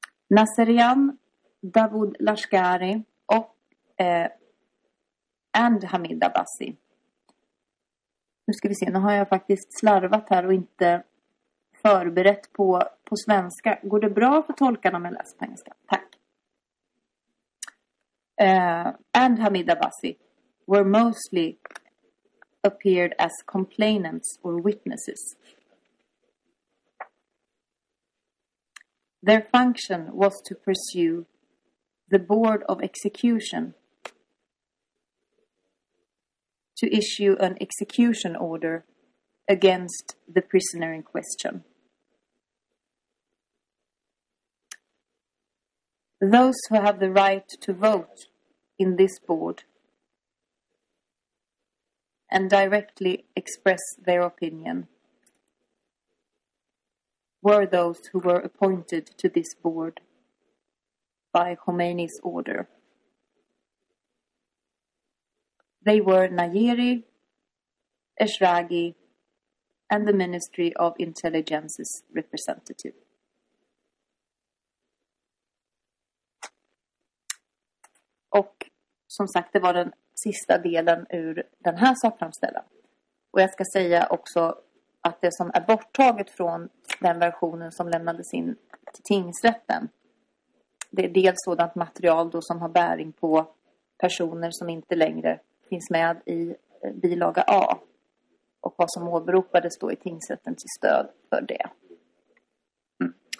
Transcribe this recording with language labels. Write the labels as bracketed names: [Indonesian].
[Swedish] Nazarian, Davood Lashkari och and Hamid Abbasi. Nu ska vi se, nu har jag faktiskt slarvat här och inte förberett på svenska. Går det bra för tolkarna med läst på engelska? Tack. [English] And Hamid Abbasi were mostly appeared as complainants or witnesses. Their function was to pursue the board of execution to issue an execution order against the prisoner in question. Those who have the right to vote in this board and directly express their opinion were those who were appointed to this board by Khomeini's order. They were Nayeri, Eshraghi, and the Ministry of Intelligence's representative. [Swedish] Och som sagt, det var den sista delen ur den här sakframställan. Och jag ska säga också att det som är borttaget från den versionen som lämnades in till tingsrätten, det är dels sådant material då som har bäring på personer som inte längre finns med i bilaga A och vad som åberopades då i tingsrätten till stöd för det. Mm.